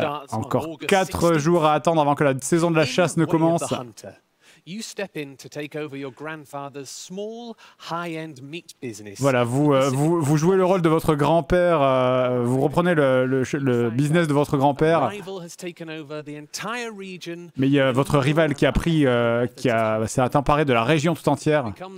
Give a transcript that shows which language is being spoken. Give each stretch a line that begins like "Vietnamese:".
French: Encore 4 jours à attendre avant que la saison de la chasse ne commence.
English: You step in to take over your grandfather's small high-end meat business.
French: Voilà, vous jouez le rôle de votre grand-père, vous reprenez le business de votre grand-père. Mais il y a votre rival qui a pris s'est emparé de la région tout entière.